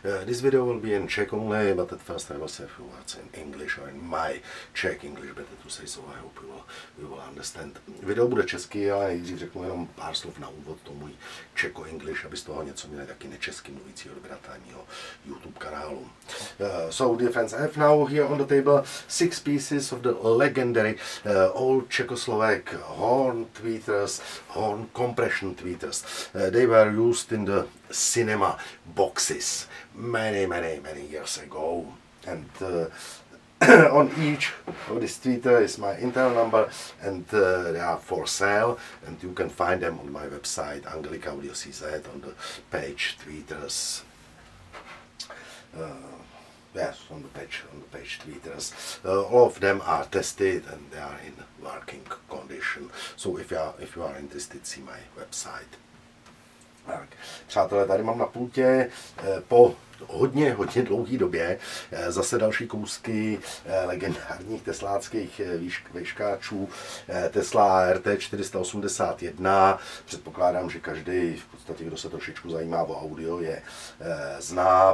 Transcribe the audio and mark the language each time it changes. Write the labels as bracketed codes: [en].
[en] This video will be in Czech only, but at first I will say a few words in English or in my Czech English, better to say so, I hope you will understand. [cs] Video bude česky, ale nejdřív řeknu jenom pár slov na úvod tomu [en] Czech English, [cs] aby z toho něco měli taky nečesky mluvící odběratel mýho YouTube kanálu. [en] So defense I have now here on the table six pieces of the legendary old Czechoslovak horn tweeters, horn compression tweeters. They were used in the cinema boxes many years ago. And on each of this tweeter is my Intel number, and they are for sale, and you can find them on my website anglikaudio.cz on the page tweeters. Yes, on the page tweeters. All of them are tested and they are in working condition. So if you are interested, see my website. [cs] Tak, přátelé, tady mám na pultě po hodně dlouhé době zase další kousky legendárních tesláckých vejškáčů. Tesla RT481, předpokládám, že každý, v podstatě, kdo se trošičku zajímá o audio, je zná.